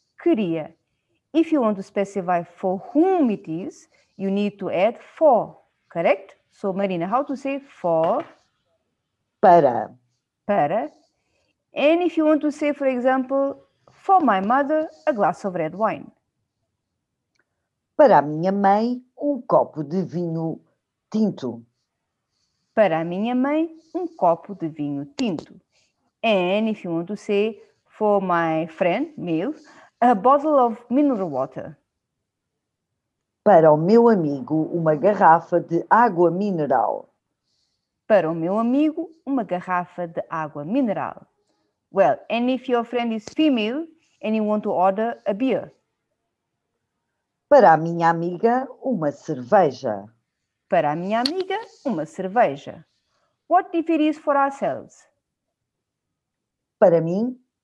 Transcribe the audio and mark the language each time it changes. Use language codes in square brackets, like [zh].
[en] Queria. If you want to specify for whom it is, you need to add for, correct? So, Marina, how to say for? [pt] Para. Para. [en] And if you want to say, for example, for my mother, a glass of red wine. [pt] Para a minha mãe, copo de vinho tinto. Para a minha mãe, copo de vinho tinto. [en] And if you want to say, for my friend, meu, a bottle of mineral water. [pt] Para o meu amigo, uma garrafa de água mineral. Para o meu amigo, uma garrafa de água mineral. [en] Well, and if your friend is female and you want to order a beer? [pt] Para a minha amiga, uma cerveja. Para a minha amiga, uma cerveja. [en] What if it is for ourselves? [pt] Para mim.